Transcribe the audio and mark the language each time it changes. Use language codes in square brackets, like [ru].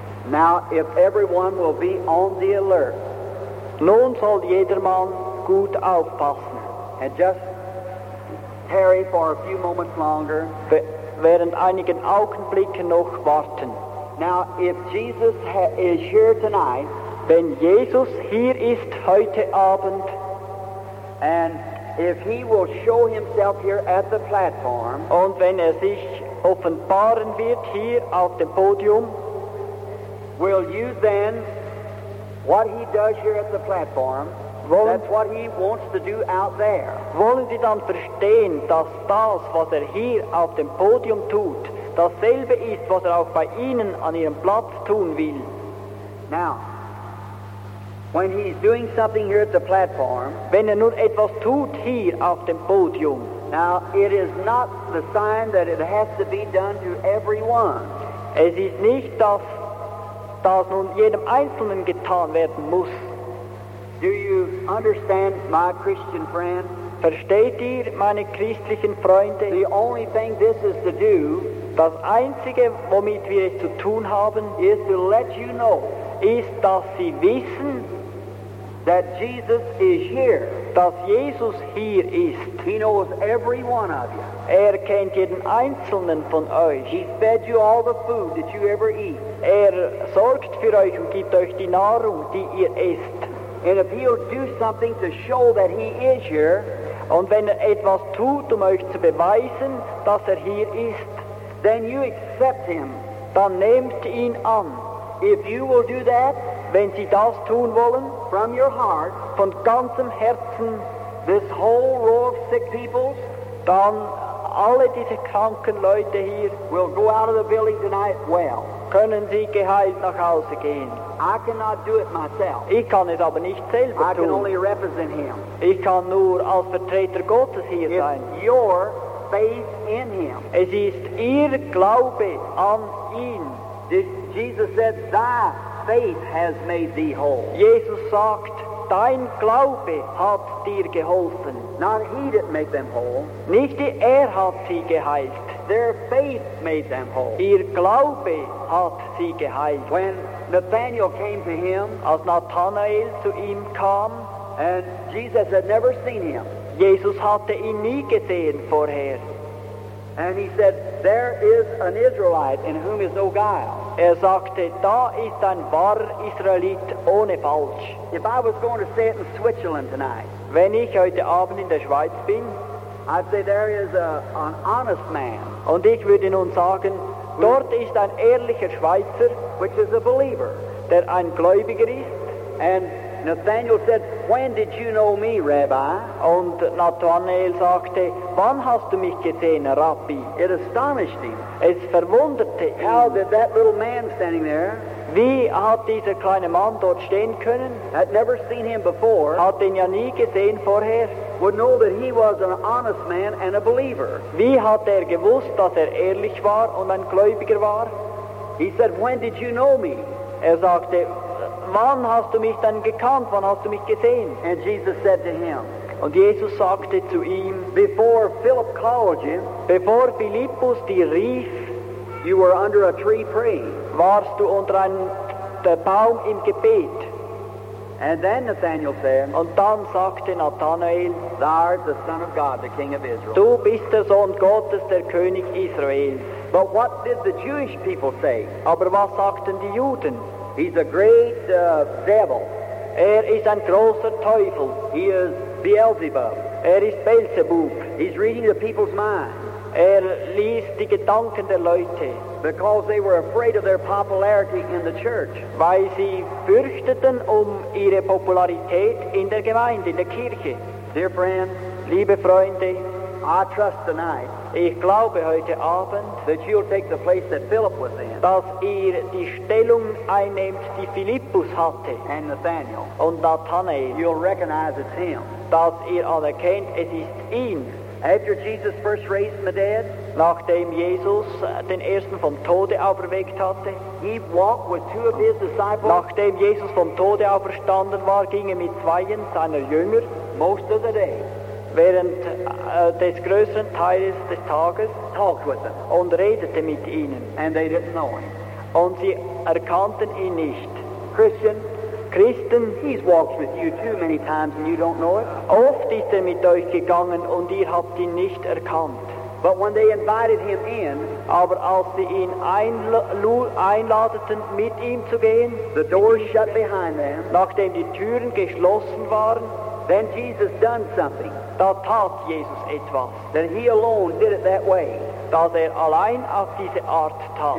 [en] Now, if everyone will be on the alert. [de] Nun soll jedermann gut aufpassen. [en] And just tarry for a few moments longer. [de] Während einigen Augenblicken noch warten. [en] Now, if Jesus is here tonight, [de] wenn Jesus hier ist heute Abend, [en] and if he will show himself here at the platform, [de] und wenn sich offenbaren wird hier auf dem Podium, [en] will you then, what he does here at the platform, that's what he wants to do out there. [de] Wollen Sie dann verstehen, dass das, was hier auf dem Podium tut, dasselbe ist, was auch bei Ihnen an Ihrem Platz tun will? [en] Now, when he's doing something here at the platform, [de] wenn nun etwas tut hier auf dem Podium, [en] now, it is not the sign that it has to be done to everyone. [de] Es ist nicht das, das nun jedem Einzelnen getan werden muss. [en] Do you understand, my Christian friend? [de] Versteht ihr, meine christlichen Freunde? [en] The only thing this is to do, [de] das Einzige, womit wir es zu tun haben, [en] is to let you know, [de] ist, dass sie wissen, [en] that Jesus is here. [de] Dass Jesus hier ist. [en] He knows every one of you. [de] Er kennt jeden Einzelnen von euch. [en] He fed you all the food that you ever eat. [de] Er sorgt für euch und gibt euch die Nahrung, die ihr esst. [en] And if he'll do something to show that he is here, [de] und wenn er etwas tut, um euch zu beweisen, dass er hier ist, [en] then you accept him. [de] Dann nehmt ihn an. [en] If you will do that, [de] wenn sie das tun wollen, [en] from your heart, [de] von ganzem Herzen, [en] this whole row of sick people, [de] dann alle diese kranken Leute hier, [en] will go out of the building tonight well. [de] Können sie geheilt nach Hause gehen. [en] I cannot do it myself. [de] Ich kann es aber nicht selber tun. [en] I can only represent him. [de] Ich kann nur als Vertreter Gottes hier [en] It's [de] sein. [en] Your faith in him. [de] Es ist ihr Glaube an ihn. [en] Jesus said, thy faith has made thee whole. [de] Jesus sagt, dein Glaube hat dir geholfen. [en] Not he that made them whole. [de] Nicht er hat sie geheilt. [en] Their faith made them whole. [de] Ihr Glaube hat sie geheilt. [en] When Nathanael came to him, [de] als Nathanael zu ihm kam, [en] and Jesus had never seen him. [de] Jesus hatte ihn nie gesehen vorher. [en] And he said, there is an Israelite in whom is no guile. [de] Er sagte, da ist ein wahrer Israelit ohne Falsch. [en] If I was going to say it in Switzerland tonight, [de] wenn ich heute Abend in der Schweiz bin, [en] I'd say there is an honest man. [de] Und ich würde nun sagen, dort ist ein ehrlicher Schweizer, [en] which is a believer, [de] der ein Gläubiger ist. [en] And Nathanael said, when did you know me, Rabbi? [de] Und Nathanael sagte, wann hast du mich gesehen, Rabbi? [en] It astonished him. [de] Es verwunderte ihn. [en] How did that little man standing there, [de] wie hat dieser kleine Mann dort stehen können? [en] Had never seen him before. [de] Hat ihn ja nie gesehen vorher. [en] Would know that he was an honest man and a believer. [de] Wie hat er gewusst, dass er ehrlich war und ein Gläubiger war? [en] He said, when did you know me? [de] Er sagte, wann hast du mich denn gekannt? Wann hast du mich gesehen? [en] And Jesus said to him, [de] und Jesus sagte zu ihm, [en] before Philip called you, [de] bevor Philippus dir rief, [en] you were under a tree praying. [de] Warst du unter einem Baum im Gebet. [en] And then Nathanael said, [de] und dann sagte Nathanael, [en] thou art the son of God, the king of Israel. [de] Du bist der Sohn Gottes, der König Israels. [en] But what did the Jewish people say? [de] Aber was sagten die Juden? [en] He's a great devil. [de] Er ist ein großer Teufel. [en] He is Beelzebub. [de] Er ist Beelzebub. [en] He's reading the people's minds. [de] Er liest die Gedanken der Leute. [en] Because they were afraid of their popularity in the church. [de] Weil sie fürchteten um ihre Popularität in der Gemeinde, in der Kirche. [en] Dear friends, [de] liebe Freunde, [en] I trust tonight, [de] ich glaube heute Abend, [en] that you'll take the place that Philip was in, [de] dass ihr die Stellung einnehmt, die Philippus hatte, [en] and Nathanael, [de] und Nathanael, [en] you'll recognize it's him, [de] dass ihr anerkennt, es ist ihn. [en] After Jesus first raised from the dead, [de] nachdem Jesus den ersten vom Tode auferweckt hatte, [en] he walked with two of his disciples. [de] Nachdem Jesus vom Tode auferstanden war, ging er mit zweien seiner Jünger, [en] most of the day, [de] während des größeren Teils des Tages, [en] talked with them, [de] und redete mit ihnen. [en] And they didn't know him. [de] Und sie erkannten ihn nicht. [en] Christian, [de] Christen, [en] he's walked with you too many times and you don't know it. [de] Oft ist er mit euch gegangen und ihr habt ihn nicht erkannt. [en] But when they invited him in, [de] aber als sie ihn einladeten, mit ihm zu gehen, [en] the doors shut behind them, [de] nachdem die Türen geschlossen waren, [en] then Jesus done something. [de] Da tat Jesus etwas. [en] That he alone did it that way. [de] Dass er allein auf diese Art tat.